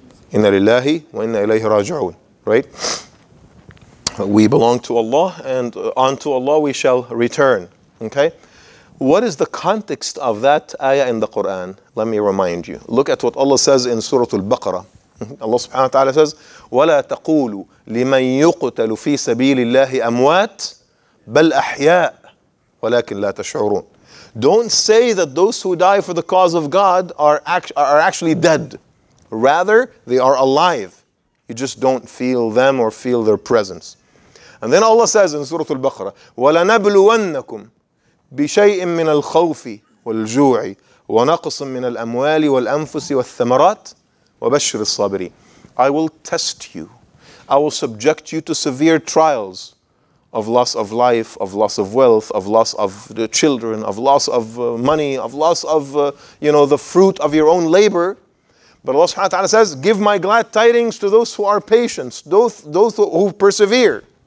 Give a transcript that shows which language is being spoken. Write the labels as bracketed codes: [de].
[ar] Inna lillahi wa inna ilayhi raji'un. [en] Right? We belong to Allah, and unto Allah we shall return. Okay? What is the context of that ayah in the Quran? Let me remind you. Look at what Allah says in Surah Al-Baqarah. Allah subhanahu wa ta'ala says, [ar] وَلَا تَقُولُوا لِمَنْ يُقْتَلُ فِي سَبِيلِ اللَّهِ أَمْوَاتٍ بَلْ أَحْيَاءٍ وَلَكِنْ لَا تَشْعُرُونَ. [en] Don't say that those who die for the cause of God are actually dead. Rather, they are alive. You just don't feel them or feel their presence. And then Allah says in Surah Al-Baqarah, [ar] وَلَنَبْلُوَنَّكُمْ بِشَيْءٍ مِّنَ الْخَوْفِ وَالْجُوعِ وَنَقْصٍ مِّنَ الْأَمْوَالِ وَالْأَنفُسِ وَالثَّمَرَاتِ وَبَشِّرِ الصَّابِرِينَ. [en] I will test you. I will subject you to severe trials of loss of life, of loss of wealth, of loss of the children, of loss of money, of loss of you know, the fruit of your own labor. But Allah subhanahu wa ta'ala says, give my glad tidings to those who are patient, those who persevere.